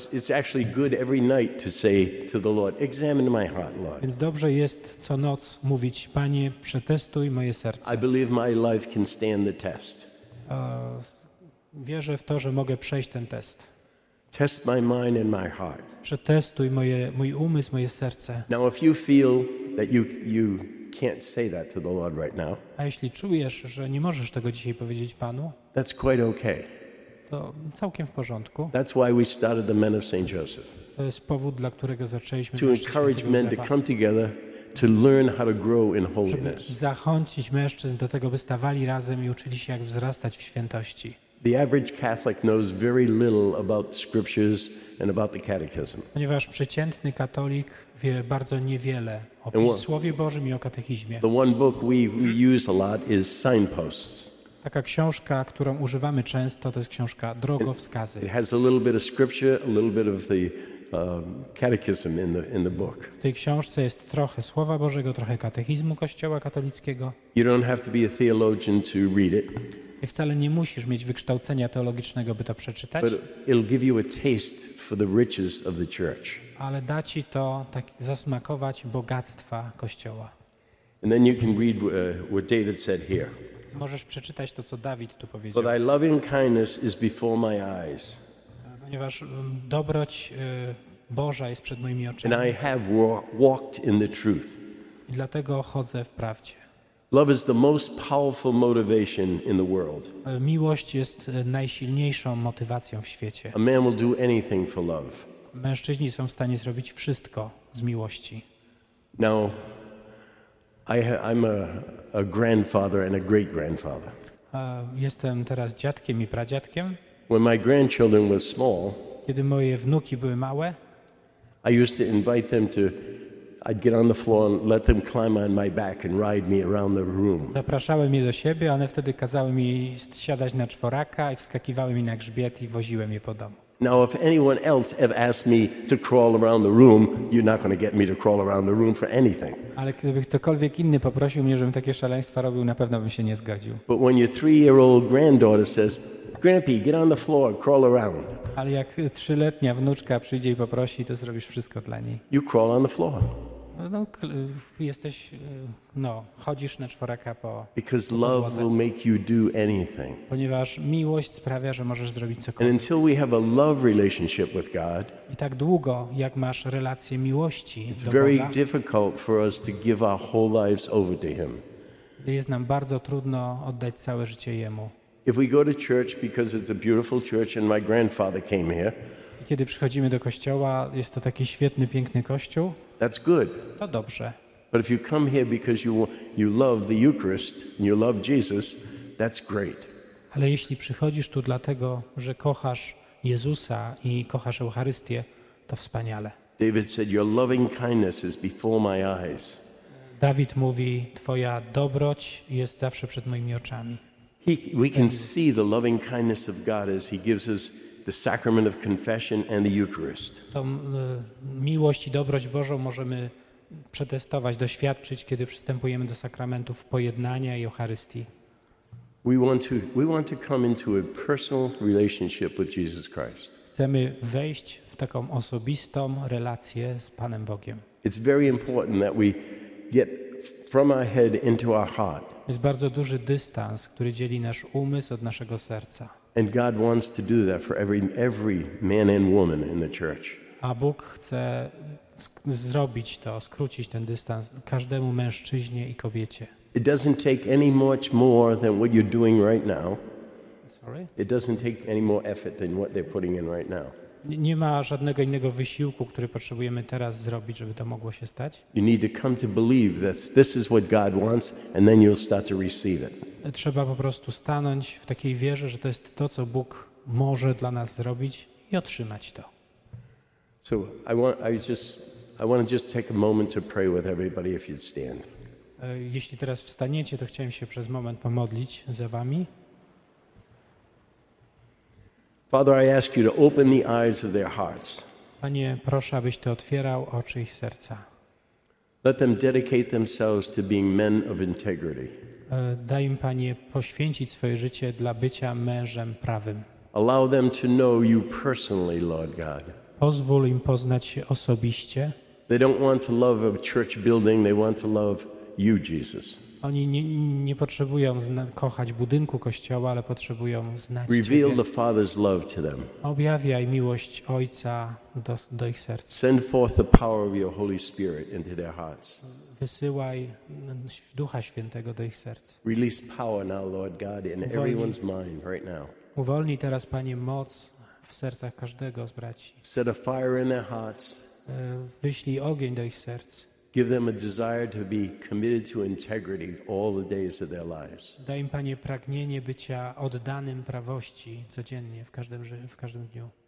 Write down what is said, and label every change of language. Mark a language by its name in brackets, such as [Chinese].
[English] So it's actually good every night to say to the Lord, examine my heart, Lord. [Polish] Więc dobrze jest co noc mówić, Panie, przetestuj moje serce. [English] I believe my life can stand the test. [Polish] Wierzę w to, że mogę przejść ten test. [English] Test my mind and my heart. [Polish] Przetestuj mój umysł, moje serce. [English] Now if you feel that you can't say that to the Lord right now. [Polish] A jeśli czujesz, że nie możesz tego dzisiaj powiedzieć Panu? [English] That's quite okay. [Polish] To całkiem w porządku. [English] That's why we started the Men of Saint Joseph. [Polish] To jest powód, dla którego zaczęliśmy. [English] To encourage men to come together to learn how to grow in holiness. [Polish] Żeby zachęcić mężczyzn do tego, by stawali razem i uczyli się, jak wzrastać w świętości. [English] The average Catholic knows very little about scriptures and about the catechism. [Polish] Ponieważ przeciętny katolik wie bardzo niewiele o Słowie Bożym i o katechizmie. [English] The one book we use a lot is Signposts. [Polish] Taka książka, którą używamy często, to jest książka Drogowskazy. [English] It has a little bit of scripture, a little bit of the catechism in the book. [Polish] W tej książce jest trochę Słowa Bożego, trochę katechizmu Kościoła katolickiego. [English] You don't have to be a theologian to read it. [Polish] I wcale nie musisz mieć wykształcenia teologicznego, by to przeczytać. [English] But it'll give you a taste for the riches of the church. [Polish] Ale da ci to tak zasmakować bogactwa Kościoła. [English] And then you can read what David said here. [Polish] Możesz przeczytać to, co Dawid tu powiedział. [English] For thy loving kindness is before my eyes. [Polish] Ponieważ dobroć Boża jest przed moimi oczami. [English] And I have walked in the truth. [Polish] I dlatego chodzę w prawdzie. [English] Love is the most powerful motivation in the world. [Polish] Miłość jest najsilniejszą motywacją w świecie. [English] A man will do anything for love. [Polish] Mężczyźni są w stanie zrobić wszystko z miłości. [English] Now, I'm a grandfather and a great grandfather. [Polish] Jestem teraz dziadkiem i pradziadkiem. [English] When my grandchildren were small, [Polish] kiedy moje wnuki były małe, [English] I used to invite them to. I'd get on the floor and let them climb on my back and ride me around the room. [Polish] Zapraszałem je do siebie, one wtedy kazały mi siadać na czworaka i wskakiwały mi na grzbiet i woziłem je po domu. [English] Now, if anyone else ever asked me to crawl around the room, you're not going to get me to crawl around the room for anything. [Polish] Ale gdyby ktokolwiek inny poprosił mnie, żebym takie szaleństwa robił, na pewno bym się nie zgodził. [English] But when your three-year-old granddaughter says, "Grandpa, get on the floor, crawl around." [Polish] Ale jak trzyletnia wnuczka przyjdzie i poprosi, to zrobisz wszystko dla niej. [English] You crawl on the floor. [Polish] No, jesteś, no, chodzisz na czworaka po podłodze. [English] Because love will make you do anything. [Polish] Ponieważ miłość sprawia, że możesz zrobić cokolwiek. [English] And until we have a love relationship with God, [Polish] i tak długo, jak masz relację miłości [English] it's [Polish] do Boga, [English] very difficult for us to give our whole lives over to Him. [Polish] Jest nam bardzo trudno oddać całe życie Jemu. [English] If we go to church because it's a beautiful church and my grandfather came here, [Polish] kiedy przychodzimy do kościoła, jest to taki świetny, piękny kościół. [English] That's good. [Polish] To dobrze. [English] But if you come here because you love the Eucharist and you love Jesus, that's great. [Polish] Ale jeśli przychodzisz tu dlatego, że kochasz Jezusa i kochasz Eucharystię, to wspaniale. [English] David said, "Your loving kindness is before my eyes." [Polish] Dawid mówi, Twoja dobroć jest zawsze przed moimi oczami. [English] We can see the loving kindness of God as he gives us the sacrament of confession and the Eucharist. [Polish] Tą miłość i dobroć Bożą możemy przetestować, doświadczyć, kiedy przystępujemy do sakramentów pojednania i Eucharystii. [English] We want to come into a personal relationship with Jesus Christ. [Polish] Chcemy wejść w taką osobistą relację z Panem Bogiem. [English] It's very important that we get from our head into our heart. [Polish] Jest bardzo duży dystans, który dzieli nasz umysł od naszego serca. [English] And God wants to do that for every man and woman in the church. [Polish] A Bóg chce zrobić to, skrócić ten dystans każdemu mężczyźnie i kobiecie. [English] It doesn't take any much more than what you're doing right now. Sorry? It doesn't take any more effort than what they're putting in right now. [Polish] Nie ma żadnego innego wysiłku, który potrzebujemy teraz zrobić, żeby to mogło się stać. [English] You need to come to believe that this is what God wants and then you'll start to receive it. [Polish] Trzeba po prostu stanąć w takiej wierze, że to jest to, co Bóg może dla nas zrobić i otrzymać to. [English] So I want to just take a moment to pray with everybody if you'd stand. [Polish] Jeśli teraz wstaniecie, to chciałem się przez moment pomodlić za wami. [English] Father, I ask you to open the eyes of their hearts. [Polish] Panie, proszę, abyś ty otwierał oczy ich serca. [English] Let them dedicate themselves to being men of integrity. [Polish] Daj im, Panie, poświęcić swoje życie dla bycia mężem prawym. [English] Allow them to know you personally, Lord God. [Polish] Pozwól im poznać się osobiście. [English] They don't want to love a church building, they want to love you, Jesus. [Polish] Oni nie potrzebują kochać budynku Kościoła, ale potrzebują znać Ciebie. [English] Reveal the Father's love to them. [Polish] Objawiaj miłość Ojca do ich serca. [English] Send forth the power of your Holy Spirit into their hearts. [Polish] Wysyłaj Ducha Świętego do ich serc. [English] Release power now, Lord God, in everyone's mind right now. [Polish] Uwolnij teraz, Panie, moc w sercach każdego z braci. [English] Set a fire in their hearts. [Polish] Wyślij ogień do ich serc. [English] Give them a desire to be committed to integrity all the days of their lives. [Polish] Daj im, Panie, pragnienie bycia oddanym prawości codziennie, w każdym dniu.